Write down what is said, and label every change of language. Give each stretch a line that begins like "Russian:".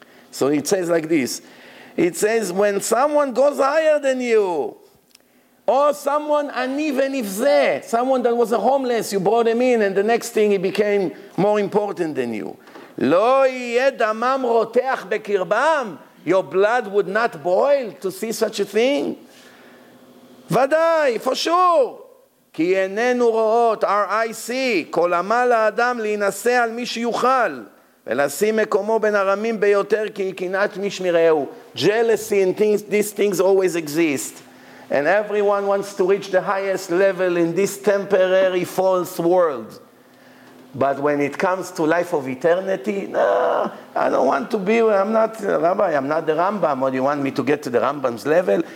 English: So it says like this. It says, when someone goes higher than you, or someone, and even if they, someone that was a homeless, you brought him in, and the next thing he became more important than you.
Hebrew: Lo yiyeh damam roteach bekirbam.
English: Your blood would not boil to see such a thing? Vadai, for sure.
Hebrew: כי איננו רואות,
English: our eyes see,
Hebrew: כל עמל האדם להינשא על מי שיוכל, ולשים מקומו בין הרמים ביותר, כי היא קינת מי שמראהו.
English: Jealousy and things, these things always exist. And everyone wants to reach the highest level in this temporary false world. But when it comes to life of eternity, no, I don't want to be, I'm not a rabbi, I'm not the Rambam, or you want me to get to the Rambam's level?